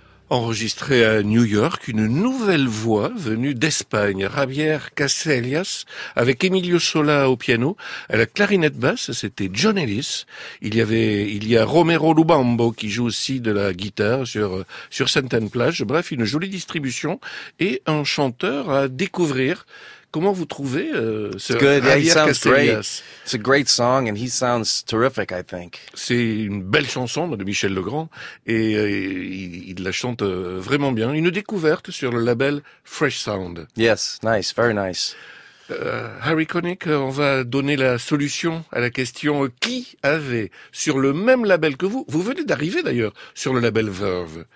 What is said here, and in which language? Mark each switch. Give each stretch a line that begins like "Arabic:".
French: Enregistré à New York, une nouvelle voix venue d'Espagne, Javier Casellas, avec Emilio Sola au piano, à la clarinette basse, c'était John Ellis. Il y a Romero Lubambo qui joue aussi de la guitare sur certaines plages. Bref, une jolie distribution et un chanteur à découvrir. Comment vous trouvez ce Javier Casellas?
English: It's good. Yeah, he sounds great. It's a great song and he sounds terrific, I think.
French: C'est une belle chanson de Michel Legrand et il la chante vraiment bien. Une découverte sur le label Fresh Sound.
English: Yes, nice, very nice.
French: Harry Connick, on va donner la solution à la question qui avait sur le même label que vous. Vous venez d'arriver d'ailleurs sur le label Verve.